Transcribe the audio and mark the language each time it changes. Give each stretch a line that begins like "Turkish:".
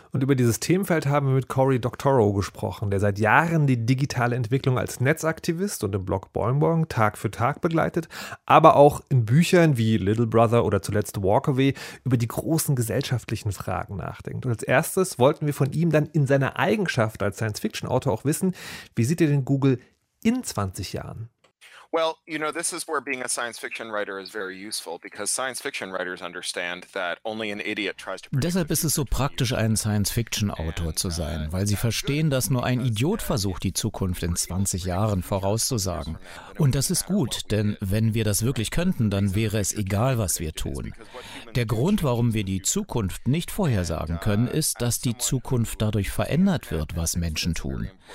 German: Und über dieses Themenfeld haben wir mit Cory Doctorow gesprochen, der seit Jahren die digitale Entwicklung als Netzaktivist und im Blog Boingboing Tag für Tag begleitet, aber auch in Büchern wie Little Brother oder zuletzt Walkaway über die großen gesellschaftlichen Fragen nachdenkt. Und als erstes wollten wir von ihm dann in seiner Eigenschaft als Science-Fiction-Autor auch wissen, wie sieht ihr denn Google in 20 Jahren?
English: Well, you know, this is where being a science fiction writer is very useful, because science fiction writers understand that only an idiot tries to.
German: Deshalb ist es so praktisch, ein Science Fiction Autor zu sein, weil sie verstehen, dass nur ein Idiot versucht, die Zukunft in 20 Jahren vorauszusagen. Und das ist gut, denn wenn wir das wirklich könnten, dann wäre es egal, was wir tun. Der Grund, warum wir die Zukunft nicht vorhersagen können, ist, dass die Zukunft dadurch verändert wird, was Menschen tun.